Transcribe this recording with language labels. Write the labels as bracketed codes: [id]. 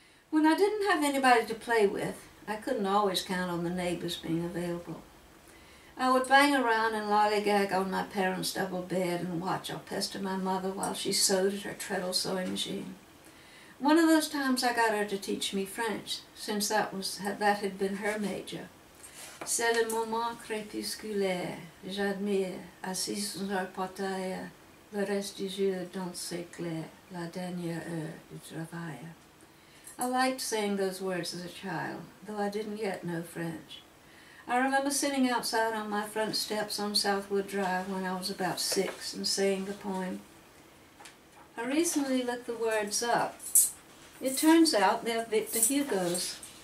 [en] When I didn't have anybody to play with, I couldn't always count on the neighbors being available. I would bang around and lollygag on my parents' double bed and watch or pester my mother while she sewed at her treadle sewing machine. One of those times I got her to teach me French, since that had been her major. [fr] C'est le moment crépusculaire, j'admire, assis sur un portail, le reste du jour dans ses clairs, la dernière heure du travail. [en] I liked saying those words as a child, though I didn't yet know French. I remember sitting outside on my front steps on Southwood Drive when I was about 6 and saying the poem. I recently looked the words up. It turns out they're Victor Hugo's.